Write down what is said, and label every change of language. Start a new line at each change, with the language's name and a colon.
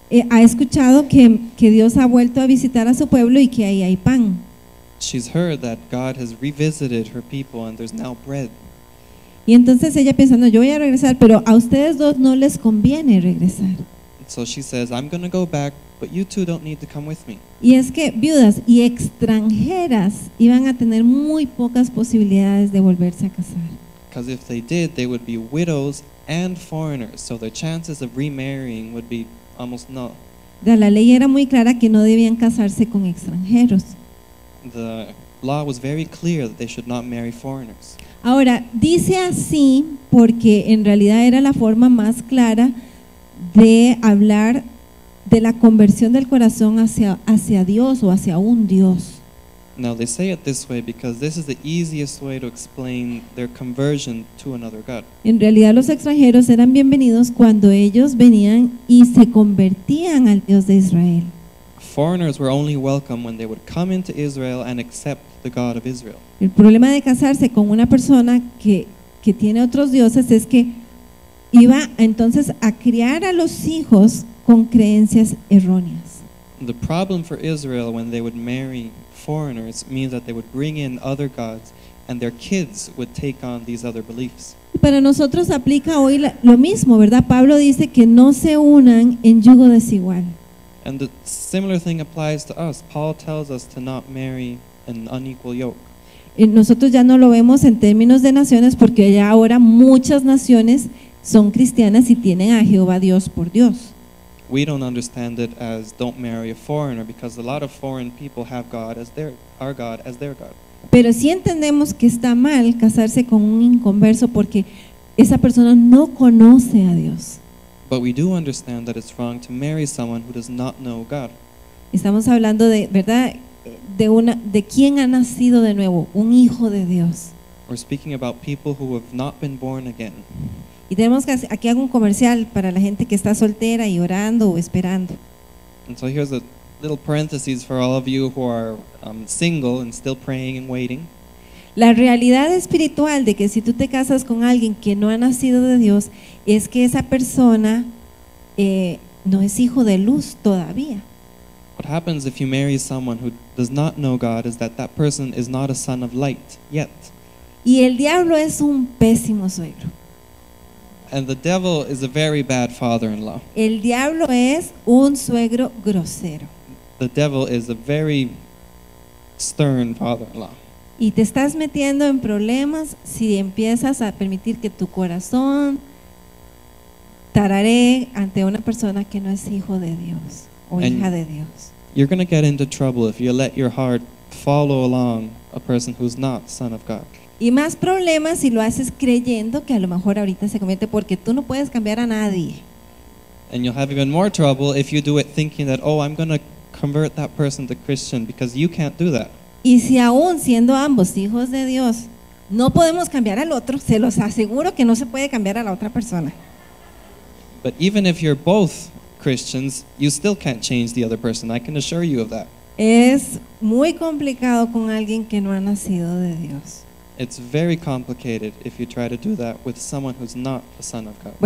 Spanish: Ha escuchado que Dios ha vuelto a visitar a su pueblo y que ahí hay pan.
English: She's heard that God has revisited her people and there's now bread.
Spanish: Y entonces ella piensa, no, yo voy a regresar, pero a ustedes dos no les conviene regresar.
English: So she says, I'm going to go back, but you two don't need to come with me.
Spanish: Y es que viudas y extranjeras iban a tener muy pocas posibilidades de volverse a casar.
English: Because if they did, they would be widows and foreigners, so their chances of remarrying would be almost none.
Spanish: La ley era muy clara que no debían casarse con extranjeros.
English: The law was very clear that they should not marry foreigners.
Spanish: Ahora, dice así porque en realidad era la forma más clara de hablar de la conversión del corazón hacia Dios o hacia un Dios.
English: Now they say it this way because this is the easiest way to explain their conversion to another God.
Spanish: En realidad los extranjeros eran bienvenidos cuando ellos venían y se convertían al Dios de Israel.
English: Foreigners were only welcome when they would come into Israel and accept the God of Israel.
Spanish: El problema de casarse con una persona que tiene otros dioses es que iba entonces a criar a los hijos con creencias erróneas.
English: The problem for Israel when they would marry foreigners means that they would bring in other gods and their kids would take on these other beliefs.
Spanish: Para nosotros aplica hoy lo mismo, ¿verdad? Pablo dice que no se unan en yugo desigual.
English: And the similar thing applies to us. Paul tells us to not marry an unequal yoke.
Spanish: Y nosotros ya no lo vemos en términos de naciones porque ya ahora muchas naciones son cristianas y tienen a Jehová Dios por Dios.
English: We don't understand it as don't marry a foreigner because a lot of foreign people have God as their our God as their God.
Spanish: Pero sí entendemos que está mal casarse con un inconverso porque esa persona no conoce a Dios.
English: But we do understand that it's wrong to marry someone who does not know God.
Spanish: Estamos hablando de, ¿verdad? De quién ha nacido de nuevo, un hijo de Dios.
English: We're speaking about people who have not been born again.
Spanish: Y tenemos que hacer, aquí hago un comercial para la gente que está soltera y orando o esperando.
English: And so here's a little parenthesis for all of you who are single and still praying and waiting.
Spanish: La realidad espiritual de que si tú te casas con alguien que no ha nacido de Dios es que esa persona no es hijo de luz todavía.
English: What happens if you marry someone who does not know God is that that person is not a son of light yet.
Spanish: Y el diablo es un pésimo suegro.
English: And the devil is a very bad father-in-law.
Spanish: El diablo es un suegro grosero.
English: The devil is a very stern father-in-law.
Spanish: Y te estás metiendo en problemas si empiezas a permitir que tu corazón tararee ante una persona que no es hijo de Dios o
English: and
Spanish: hija de Dios.
English: You're going to get into trouble if you let your heart follow along a person who's not son of God.
Spanish: Y más problemas si lo haces creyendo que a lo mejor ahorita se convierte, porque tú no puedes cambiar a nadie.
English: And you'll have even more trouble if you do it thinking that, oh, I'm going to convert that person to Christian, because you can't do that.
Spanish: Y si aún siendo ambos hijos de Dios no podemos cambiar al otro, se los aseguro que no se puede cambiar a la otra persona.
English: But even if you're both Christians, you still can't change the other person. I can assure you of that.
Spanish: Es muy complicado con alguien que no ha nacido de Dios.
English: It's very complicated if you try to do that with someone who's not a son of God.